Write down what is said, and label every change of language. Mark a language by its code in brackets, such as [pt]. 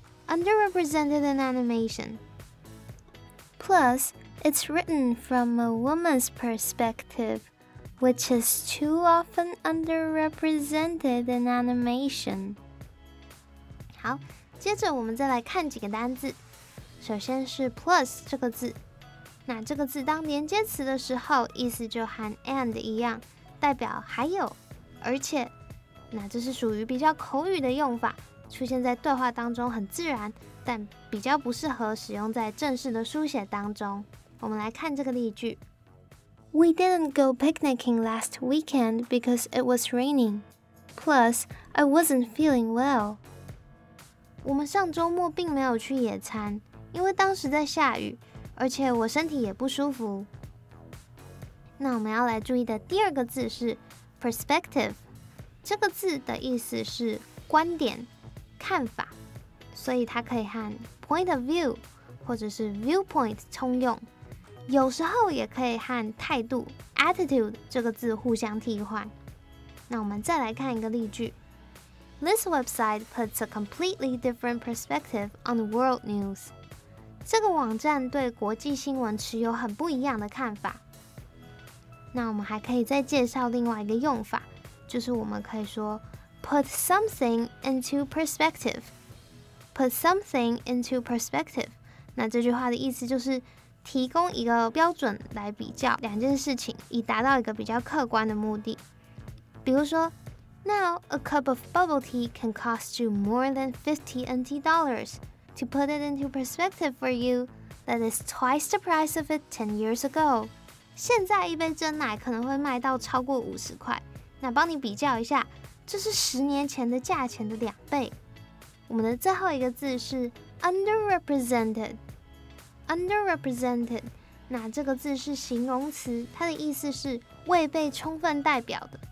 [en] Plus, it's written from a woman's perspective, which is too often underrepresented in animation. [zh] 好，接着我们再来看几个单字。首先是 plus 这个字，那这个字当连接词的时候，意思就和 and 一样，代表还有，而且，那这是属于比较口语的用法，出现在对话当中很自然，但比较不适合使用在正式的书写当中。我们来看这个例句。 [en] We didn't go picnicking last weekend because it was raining. Plus, I wasn't feeling well. [zh] 我们上周末并没有去野餐，因为当时在下雨，而且我身体也不舒服。那我们要来注意的第二个字是 perspective。这个字的意思是观点、看法，所以它可以和 point of view 或者是 viewpoint 通用。有时候也可以和态度 attitude 这个字互相替换。那我们再来看一个例句。 [en] This website puts a completely different perspective on the world news. [zh] 这个网站对国际新闻持有很不一样的看法。那我们还可以再介绍另外一个用法，就是我们可以说 [en] put something into perspective. Put something into perspective. [zh] 那这句话的意思就是提供一个标准来比较两件事情，以达到一个比较客观的目的。比如说 [en] Now, a cup of bubble tea can cost you more than 50 NT dollars. To put it into perspective for you, that is twice the price of it 10 years ago. [zh] 现在一杯真奶可能会卖到超过50块。那帮你比较一下，这是10年前的价钱的两倍。我们的最后一个字是 underrepresented. Underrepresented, 那这个字是形容词，它的意思是未被充分代表的。